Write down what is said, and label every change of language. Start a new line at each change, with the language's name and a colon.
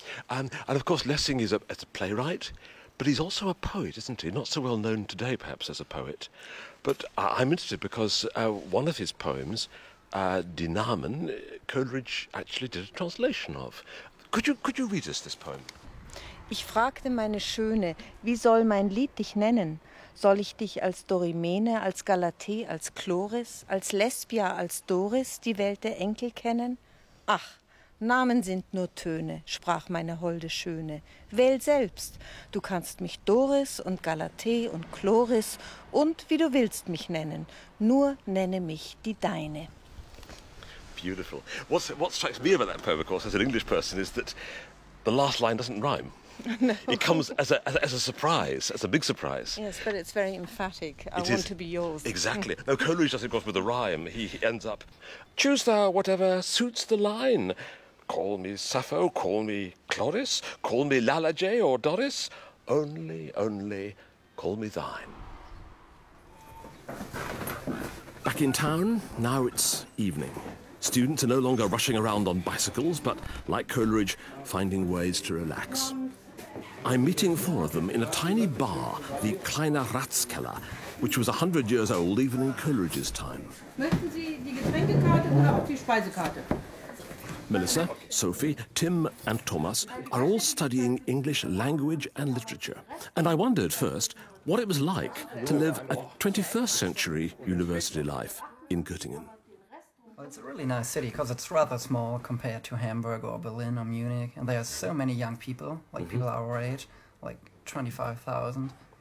English: And of course, Lessing is a playwright, but he's also a poet, isn't he? Not so well known today, perhaps, as a poet. But I'm interested because one of his poems, Die Namen, Coleridge actually did a translation of. Could you read us this poem?
German: Ich fragte meine Schöne, wie soll mein Lied dich nennen? Soll ich dich als Dorimene, als Galatee, als Chloris, als Lesbia, als Doris die Welt der Enkel kennen? Ach, Namen sind nur Töne, sprach meine holde Schöne. Wähl selbst, du kannst mich Doris und Galatee und Chloris und wie du willst mich nennen, nur nenne mich die Deine.
English: Beautiful. What strikes me about that poem, of course, as an English person, is that the last line doesn't rhyme. No. It comes as a surprise, as a big surprise. Yes, but it's very emphatic. I want to be yours. Exactly. Now, Coleridge does, of course, with a rhyme. He ends up, choose thou whatever suits the line. Call me Sappho, call me Chloris, call me Lalage or Doris. Only, call me thine. Back in town, now it's evening. Students are no longer rushing around on bicycles, but, like Coleridge, finding ways to relax. I'm meeting four of them in a tiny bar, the Kleine Ratskeller, which was 100 years old even in Coleridge's time.
German: Möchten Sie die Getränkekarte oder auch die Speisekarte?
English: Melissa, Sophie, Tim and Thomas are all studying English language and literature. And I wondered first what it was like to live a 21st century university life in Göttingen. It's a really nice city because it's rather small compared to Hamburg or Berlin or Munich. And there are so many young people, like people our age, like 25,000.